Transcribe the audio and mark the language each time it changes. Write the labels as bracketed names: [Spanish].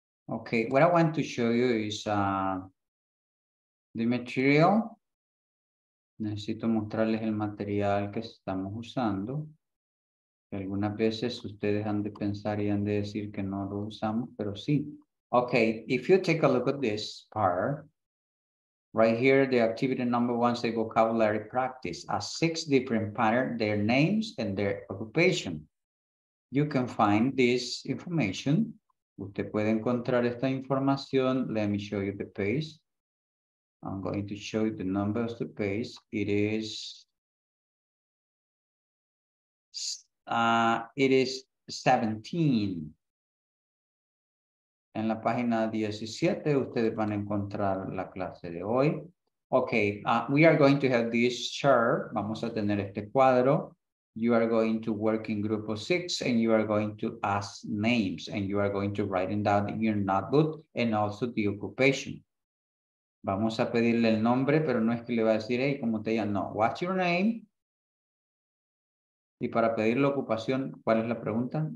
[English] Okay, what I want to show you is the material. [Spanish] Necesito mostrarles el material que estamos usando. Algunas veces ustedes han de pensar y han de decir que no lo usamos, pero sí. [English] Okay, if you take a look at this part. Right here, the activity number one say vocabulary practice. A six different pattern, their names and their occupation. You can find this information. [Spanish] Usted puede encontrar esta información. [English] Let me show you the page. I'm going to show you the number of the page. It is It is 17. [Spanish] En la página 17, ustedes van a encontrar la clase de hoy. [English] Okay, we are going to have this chart. [Spanish] Vamos a tener este cuadro. [English] You are going to work in group of six and you are going to ask names and you are going to write in down your notebook and also the occupation. [Spanish] Vamos a pedirle el nombre, pero no es que le va a decir, hey, como te llamas, no. [English] What's your name? [Spanish] Y para pedir la ocupación, ¿cuál es la pregunta?